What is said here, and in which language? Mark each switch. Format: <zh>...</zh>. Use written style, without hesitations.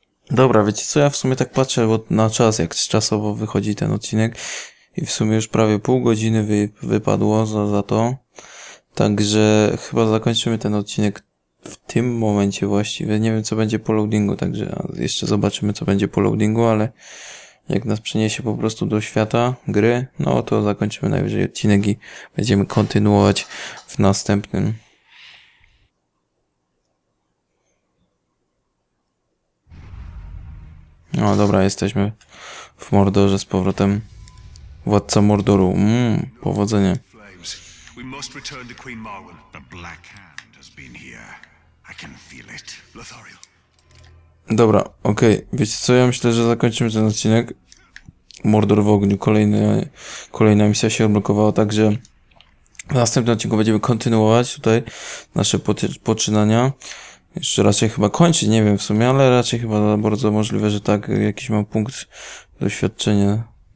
<pl>Dobra, wiecie co, ja w sumie tak patrzę na czas, jak czasowo wychodzi ten odcinek i w sumie już prawie pół godziny wypadło za to, także chyba zakończymy ten odcinek w tym momencie właściwie, nie wiem co będzie po loadingu, także jeszcze zobaczymy co będzie po loadingu, ale jak nas przeniesie po prostu do świata gry, no to zakończymy najwyżej odcinek i będziemy kontynuować w następnym. No dobra, jesteśmy w Mordorze z powrotem. Władca Mordoru, powodzenie.</pl> <en>We must return to Queen Marwyn. The Black Hand has been here. I can feel it. Lothario.</en> <pl>Dobra, okej.</pl> <en>Okay.</en> <pl>Wiecie co, ja myślę, że zakończymy ten odcinek. Mordor w ogniu. Kolejna misja się odblokowała, także w następnym odcinku będziemy kontynuować tutaj nasze poczynania. Jeszcze raz się chyba kończy, nie wiem w sumie, ale raczej chyba bardzo możliwe, że tak, jakiś mam punkt doświadczenia.</pl>